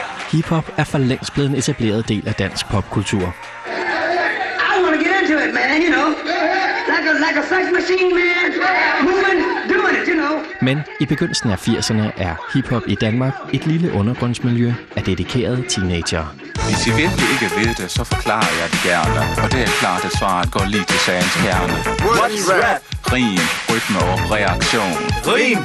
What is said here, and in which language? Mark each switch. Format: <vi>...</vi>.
<da>Hip-hop er for længst blevet en etableret del af dansk popkultur.</da> <en>I wanna get into it, man, you know. Like a sex machine, man. Moving, doing it, you know.</en> <da>Men i begyndelsen af 80'erne er hip-hop i Danmark et lille undergrundsmiljø af dedikerede teenagere. Hvis I virkelig ikke ved det, så forklarer jeg det gerne. Og det er klart, at svaret går lige til sagens kerne.</da> <en>What's rap?</en> <da>Rim, rytme og reaktion. Rim!</da>